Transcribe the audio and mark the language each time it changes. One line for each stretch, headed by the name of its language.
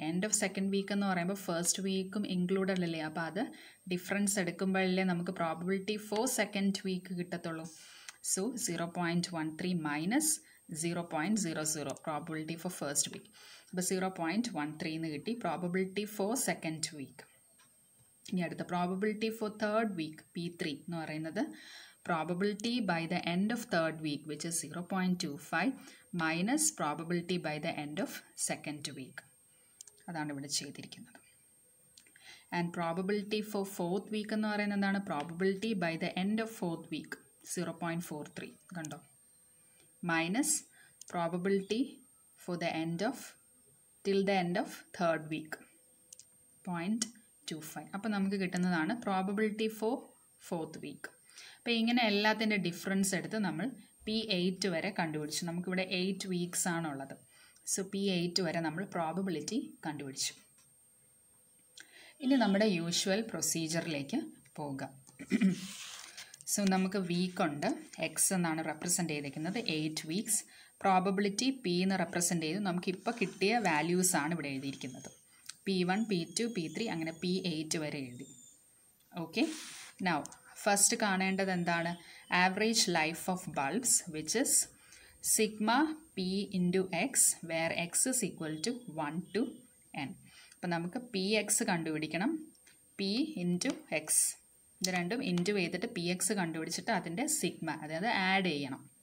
Malayalam: End of second week എന്ന് പറയുമ്പോൾ first വീക്കും included അല്ലേ, അപ്പോൾ അത് ഡിഫറൻസ് എടുക്കുമ്പോഴല്ലേ നമുക്ക് പ്രോബബിലിറ്റി ഫോർ സെക്കൻഡ് വീക്ക് കിട്ടത്തുള്ളൂ.
English: So 0.13 - 0.00 probability for first week.
Malayalam: അപ്പോൾ 0.13 എന്ന് കിട്ടി പ്രോബബിലിറ്റി ഫോർ സെക്കൻഡ് വീക്ക്. ഇനി അടുത്ത probability for third week P3 എന്ന് പറയുന്നത്
English: probability by the end of third week, which is 0.25, minus probability by the end of second week.
Malayalam: അതാണ് ഇവിടെ ചെയ്തിരിക്കുന്നത്.
English: And probability for fourth week
Malayalam: എന്ന് പറയുന്നത് എന്താണ്?
English: Probability by the end of fourth week, 0.43.
Malayalam: കണ്ടോ?
English: Minus probability for the end of, till the end of third week, 0.25.
Malayalam: അപ്പോൾ നമുക്ക് കിട്ടുന്നതാണ് probability for fourth week. അപ്പോൾ ഇങ്ങനെ എല്ലാത്തിൻ്റെ ഡിഫറൻസ് എടുത്ത് നമ്മൾ P8 വരെ കണ്ടുപിടിച്ചു. നമുക്കിവിടെ 8 weeks ആണുള്ളത്. So P8 വരെ നമ്മൾ probability കണ്ടുപിടിച്ചു. ഇനി നമ്മുടെ യൂഷ്വൽ പ്രൊസീജിയറിലേക്ക് പോകാം. സോ നമുക്ക് വീക്ക് ഉണ്ട്, എക്സ് എന്നാണ് റെപ്രസെൻ്റ് ചെയ്തിരിക്കുന്നത്, 8 weeks. പ്രോബബിലിറ്റി പി എന്ന് റെപ്രസെൻ്റ് ചെയ്തു. നമുക്ക് ഇപ്പോൾ കിട്ടിയ വാല്യൂസ് ആണ് ഇവിടെ എഴുതിയിരിക്കുന്നത്. P1, P2, P3 അങ്ങനെ P8 വരെ എഴുതി. ഓക്കെ, നൗ ഫസ്റ്റ് കാണേണ്ടത് എന്താണ്?
English: Average life of bulbs, which is sigma P into X, where X is equal to 1 to n.
Malayalam: അപ്പോൾ നമുക്ക് PX കണ്ടുപിടിക്കണം. P × X ഇത് രണ്ടും ഇൻറ്റു ചെയ്തിട്ട് PX കണ്ടുപിടിച്ചിട്ട് അതിൻ്റെ സിഗ്മ, അതായത് ആഡ് ചെയ്യണം.